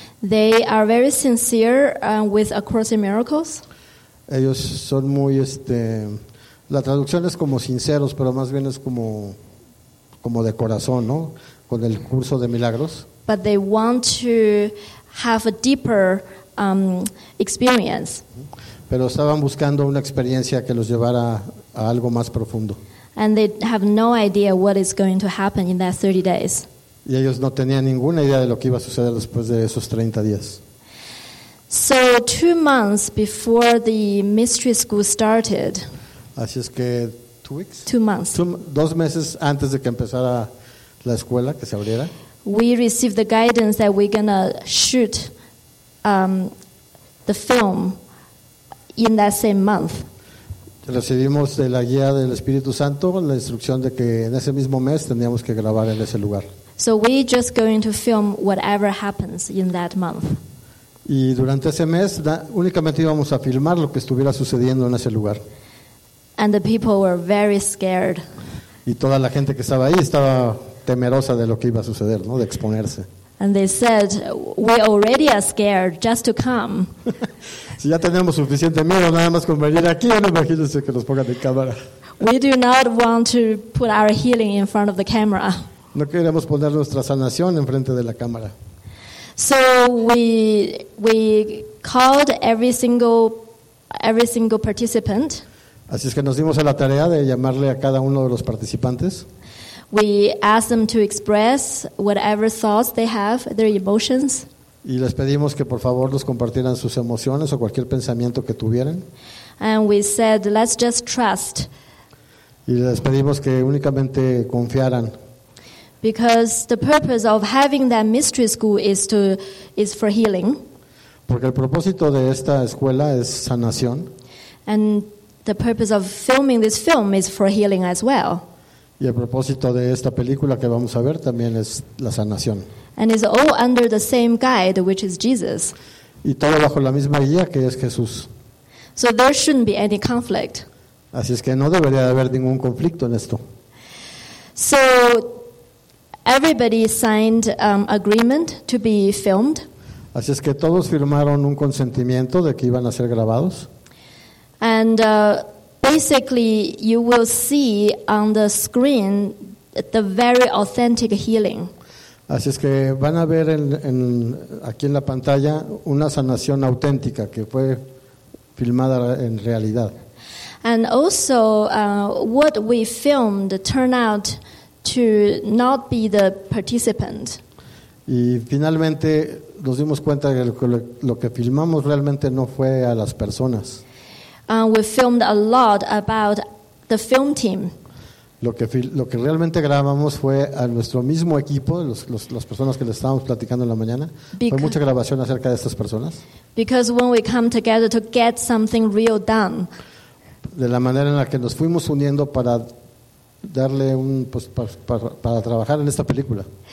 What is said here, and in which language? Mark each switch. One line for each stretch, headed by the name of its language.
English: They are very sincere with A Course in Miracles.
Spanish: Ellos son muy la traducción es como sinceros, pero más bien es como de corazón, ¿no? Con el curso de milagros.
English: But they want to have a deeper experience.
Spanish: Pero estaban buscando una experiencia que los llevara a algo más profundo.
English: And they have no idea what is going to happen in that 30 days.
Spanish: Y ellos no tenían ninguna idea de lo que iba a suceder después de esos 30 días.
English: So 2 months before the mystery school started.
Spanish: Así es que
English: 2 weeks. 2 months.
Spanish: 2 meses antes de que empezara la escuela que se abriera.
English: We received the guidance that we're gonna shoot the film in that same month.
Spanish: Recibimos de la guía del Espíritu Santo la instrucción de que en ese mismo mes teníamos que grabar en ese lugar.
English: So we're just going to film whatever happens in that month.
Spanish: Y durante ese mes únicamente íbamos a filmar lo que estuviera sucediendo en ese lugar.
English: And the people were very scared.
Spanish: Y toda la gente que estaba ahí estaba temerosa de lo que iba a suceder, ¿no? De exponerse.
English: And they said, "We already are scared just to come."
Spanish: Si ya tenemos suficiente miedo nada más con venir aquí, no imagínense que nos pongan en cámara.
English: We do not want to put our healing in front of the camera.
Spanish: No queremos poner nuestra sanación en frente de la cámara.
English: So we called every single participant.
Spanish: Así es que nos dimos a la tarea de llamarle a cada uno de los participantes.
English: We asked them to express whatever thoughts they have, their emotions.
Spanish: Y les pedimos que por favor nos compartieran sus emociones o cualquier pensamiento que tuvieran.
English: And we said, let's just trust.
Spanish: Y les pedimos que únicamente confiaran.
English: Because the purpose of having that mystery school is for healing.
Spanish: Porque el propósito de esta escuela es sanación.
English: And the purpose of filming this film is for healing as well.
Spanish: Y el propósito de esta película que vamos a ver también es la sanación.
English: And it's all under the same guide, which is Jesus.
Spanish: Y todo bajo la misma guía que es Jesús.
English: So there shouldn't be any conflict.
Spanish: Así es que no debería haber ningún conflicto en esto.
English: So everybody signed agreement to be filmed.
Spanish: Así es que todos firmaron un consentimiento de que iban a ser grabados.
English: And basically you will see on the screen the very authentic healing.
Spanish: Así es que van a ver en aquí en la pantalla una sanación auténtica que fue filmada en realidad.
English: And also what we filmed turned out to not be the participant.
Spanish: Y finalmente nos dimos cuenta de que lo que filmamos realmente no fue a las personas.
English: We filmed a lot about the film team.
Spanish: Lo que realmente grabamos fue a nuestro mismo equipo, las personas que le estábamos platicando en la mañana. Fue mucha grabación acerca de estas personas.
English: Because when we come together to get something real done.
Spanish: De la manera en la que nos fuimos uniendo para darle un pues, para trabajar en esta película.